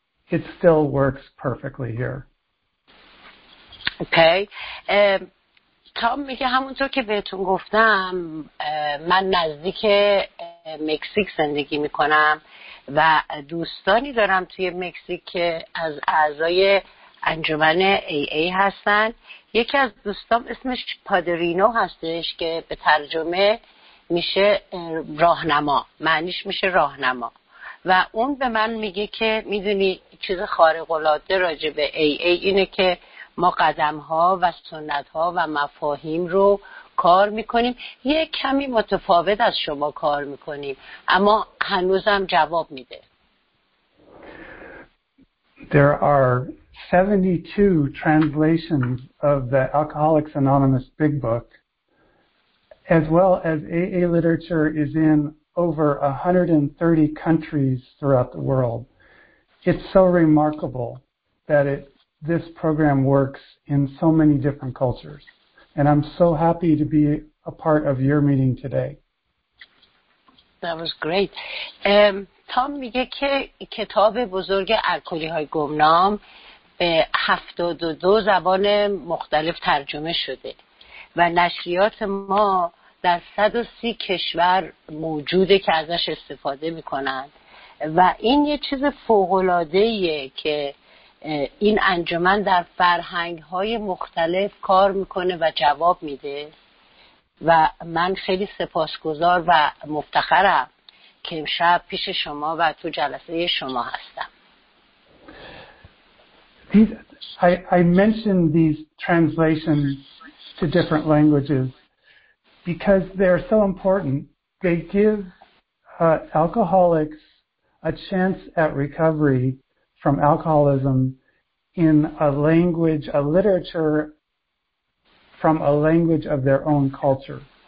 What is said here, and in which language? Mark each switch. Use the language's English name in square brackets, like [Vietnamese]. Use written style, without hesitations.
[English] It still works perfectly here. Okay. [Persian] تام میگه همونطور که بهتون گفتم، من نزدیک مکزیک زندگی میکنم و دوستانی دارم توی مکزیک که از اعضای انجمن AA هستن. یکی از دوستام اسمش پادرینو هستش که به ترجمه میشه راهنما، معنیش میشه راهنما، و اون به من میگه که میدونی چیز خارق العاده راجع به AA اینه که ما قدمها و سنتها و مفاهیم رو کار میکنیم، یه کمی متفاوت از شما کار میکنیم، اما هنوزم جواب میده. [English] There are 72 translations of the Alcoholics Anonymous Big Book, as well as AA literature is in over 130 countries throughout the world. It's so remarkable that this program works in so many different cultures. And I'm so happy to be a part of your meeting today. That was great. [Persian] Tom میگه که کتاب بزرگ الکلی‌های گمنام به 72 زبان مختلف ترجمه شده و نشریات ما در 130 کشور موجوده که ازش استفاده میکنن و این یه چیز فوق‌العاده‌ایه که این انجمن در فرهنگ‌های مختلف کار میکنه و جواب میده و من خیلی سپاسگزار و مفتخرم که امشب پیش شما و تو جلسه شما هستم. [English] I mentioned these translations to different languages because they're so important. They give alcoholics a chance at recovery from alcoholism in a language, a literature from a language of their own culture.